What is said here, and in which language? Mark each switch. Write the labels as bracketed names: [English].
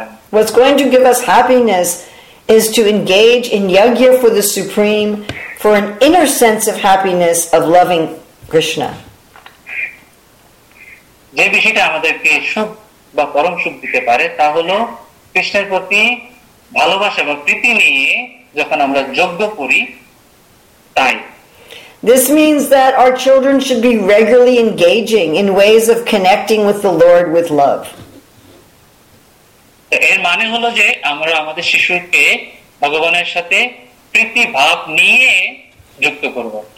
[English] What's going to give us happiness is to engage in yajna for the Supreme, for an inner sense of happiness of loving Krishna. [Bangla] যে বিষয়টা আমাদেরকে সুখ বা পরম সুখ দিতে পারে তা হলো কৃষ্ণের প্রতি ভালোবাসা বা প্রীতি নিয়ে যখন আমরা যজ্ঞ করি তাই. [English] This means that our children should be regularly engaging in ways of connecting with the Lord with love. [Bangla] এর মানে হলো যে আমরা আমাদের শিশুকে ভগবানের সাথে প্রীতি ভাব নিয়ে যুক্ত করব.